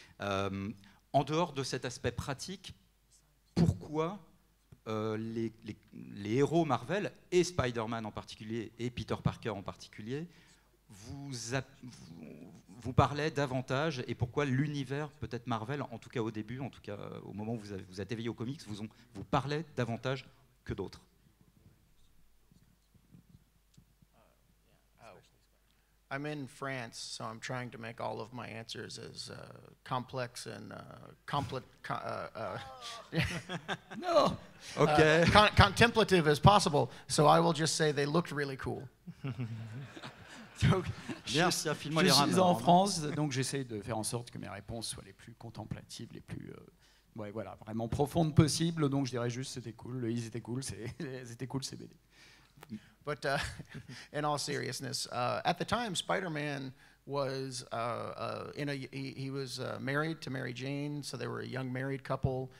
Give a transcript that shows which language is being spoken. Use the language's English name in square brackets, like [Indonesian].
[French] En dehors de cet aspect pratique, pourquoi les héros Marvel et Spider-Man en particulier et Peter Parker en particulier vous parlaient davantage et pourquoi l'univers peut-être Marvel, en tout cas au début, en tout cas au moment où vous êtes éveillé aux comics, vous parlait davantage que d'autres? [English] I'm in France, so I'm trying to make all of my answers as complex and contemplative as possible. So I will just say they looked really cool. [French] Je suis en France, donc j'essaie de faire en sorte que mes réponses soient les plus contemplatives, les plus vraiment profondes possibles. Donc je dirais juste c'était cool, le ils étaient cool, c'était cool ces BD. [English] But in all seriousness, at the time, Spider-Man was married to Mary Jane, so they were a young married couple.